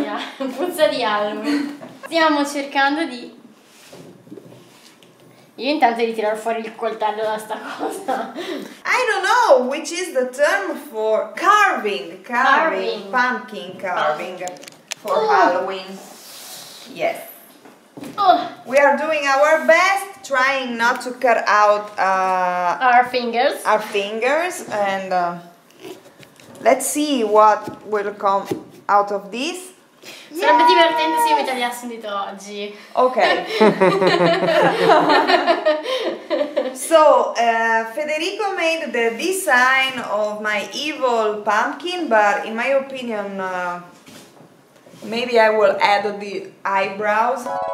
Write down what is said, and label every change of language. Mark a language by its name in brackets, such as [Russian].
[Italian] Yeah, puzza di Halloween. Stiamo cercando di... Io intanto di tirare fuori il coltello da sta cosa. [English] I don't know which is the term for carving. Pumpkin carving for Halloween. Yes. We are doing our best. Trying not to cut out our fingers and let's see what will come out of this. Yes! [Italian] Sarebbe divertente se io mi tagliassi un dito oggi. Ok. [English] So, Federico made the design of my evil pumpkin, but in my opinion, maybe I will add the eyebrows.